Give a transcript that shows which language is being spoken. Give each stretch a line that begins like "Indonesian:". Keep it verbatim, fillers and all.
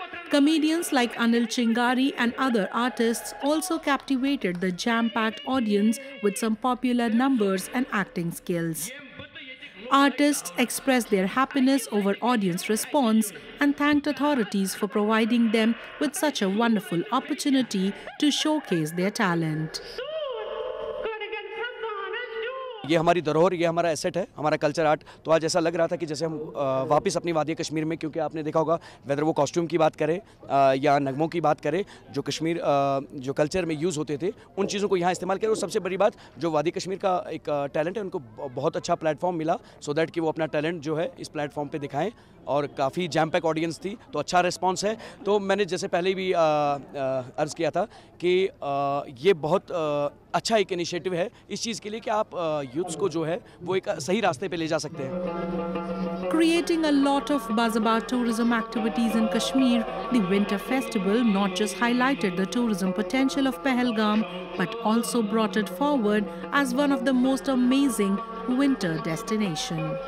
English: Comedians like Anil Chingari and other artists also captivated the jam-packed audience with some popular numbers and acting skills. Artists expressed their happiness over audience response and thanked authorities for providing them with such a wonderful opportunity to showcase their talent.
Hindi: ये हमारी धरोहर, ये हमारा asset है, हमारा culture art. तो आज ऐसा लग रहा था कि जैसे हम वापस अपनी वादी कश्मीर में, क्योंकि आपने देखा होगा वेदर वो कॉस्ट्यूम की बात करें या नगमों की बात करें जो कश्मीर जो कल्चर में यूज़ होते थे, उन चीज़ों को यहाँ इस्तेमाल करें। और सबसे बड़ी बात जो वादी कश्मीर का एक टैलेंट है, उनको बहुत अच्छा प्लेटफॉर्म मिला सो दैट कि वो अपना टैलेंट जो है इस प्लेटफॉर्म पर दिखाएँ। और काफ़ी जैम पैक ऑडियंस थी, तो अच्छा रिस्पॉन्स है। तो मैंने जैसे पहले भी अर्ज़ किया था कि ये बहुत अच्छा एक इनिशिएटिव है इस चीज़ के लिए कि आप यूथ्स को जो है वो एक सही रास्ते पे ले जा सकते हैं।
English: Creating a lot of buzz about tourism activities in Kashmir, the Winter Festival not just highlighted the tourism potential of Pahalgam but also brought it forward as one of the most amazing winter destination.